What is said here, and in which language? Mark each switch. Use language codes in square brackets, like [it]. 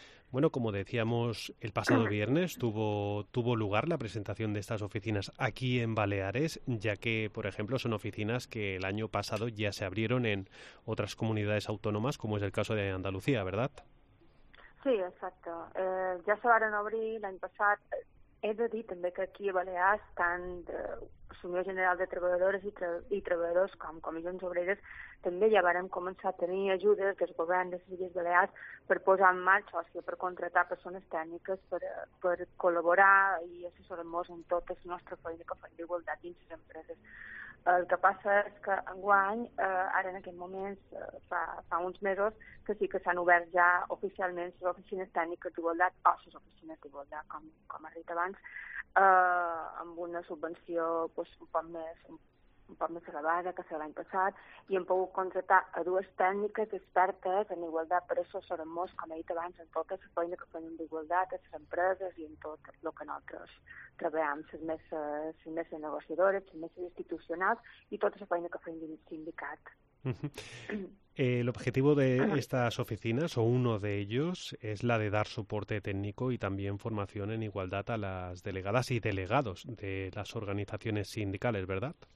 [es] Bueno, como decíamos, el pasado viernes tuvo lugar la presentación de estas oficinas aquí en Baleares, ya que, por ejemplo, son oficinas que el año pasado ya se abrieron en otras comunidades autónomas, como es el caso de Andalucía, ¿verdad? Sí, exacto. Ya se van a abrir el año pasado. He de decir también que aquí en Baleares están [ca] Unió General de Treballadores i Treballadors com Comissions Obreres, també ja vàrem començar a tenir ajudes del govern de les Illes Balears per posar en marxa, o sigui, per contratar persones tècniques per col·laborar i assessorar-nos en tota la nostra feina que fem d'igualtat dins les empreses. El que passa és que enguany, ara en aquest moment, fa uns mesos, que sí que s'han obert ja oficialment les oficines tècniques d'igualtat, o les oficines d'igualtat, com ha dit abans, amb una subvenció pues, un poc més elevada que serà l'any passat, i hem pogut contratar a dues tècniques expertes en igualtat, per això són molts, com he dit abans, en tota la feina que fem d'igualtat, a les empreses i en tot el que nosaltres treballem, les meses negociadores, les meses institucionals i tota la feina que fem dins el sindicat. [es] El objetivo de estas oficinas, o uno de ellos, es la de dar soporte técnico y también formación en igualdad a las delegadas y delegados de las organizaciones sindicales, ¿verdad?